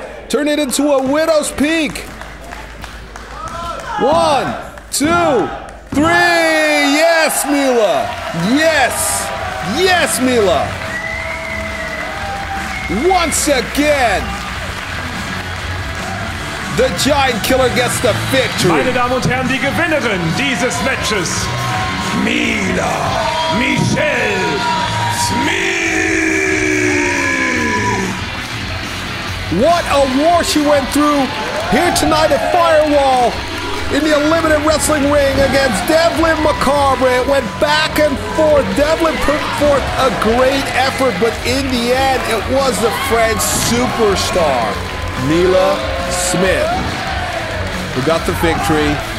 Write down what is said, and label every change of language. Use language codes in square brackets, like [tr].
[en] Turn it into a widow's peak. One, two, three. Yes, Mila. Yes, Mila. Once again, the Giant Killer gets the victory. [de] Meine Damen und Herren, die Gewinnerin dieses Matches, Mila Michelle Smidt. [en] What a war she went through here tonight at Firewall in the Unlimited Wrestling ring against Devlyn Macabre. It went back and forth. Devlyn put forth a great effort, but in the end, it was the French superstar, Mila Smidt, who got the victory.